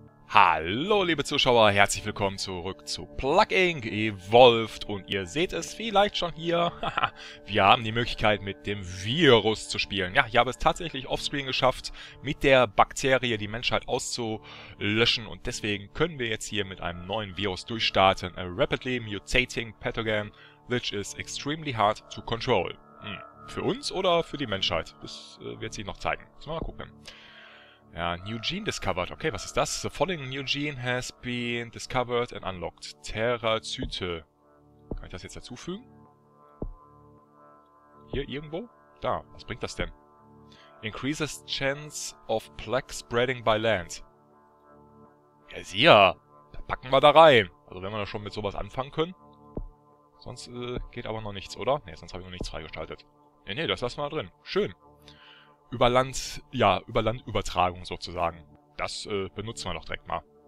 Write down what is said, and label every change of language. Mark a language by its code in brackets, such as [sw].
[de] Hallo liebe Zuschauer, herzlich willkommen zurück zu Plugink Evolved und ihr seht es vielleicht schon hier, wir haben die Möglichkeit mit dem Virus zu spielen. Ja, ich habe es tatsächlich offscreen geschafft, mit der Bakterie die Menschheit auszulöschen und deswegen können wir jetzt hier mit einem neuen Virus durchstarten. [en] A rapidly mutating pathogen, which is extremely hard to control. [de] Für uns oder für die Menschheit? Das wird sich noch zeigen. Mal gucken. Ja, [en] new gene discovered. [de] Okay, was ist das? [en] The following new gene has been discovered and unlocked. Terrazyte. [de] Kann ich das jetzt dazufügen? Hier irgendwo? Da. Was bringt das denn? [en] Increases chance of plague spreading by land. [de] Ja, sieh, da packen wir da rein. Also wenn wir da schon mit sowas anfangen können. Sonst geht aber noch nichts, oder? Ne, sonst habe ich noch nichts freigeschaltet. Ne, ne, das lassen wir da drin. Schön. Über Land, ja, über Landübertragung sozusagen. Das benutzen wir doch direkt mal.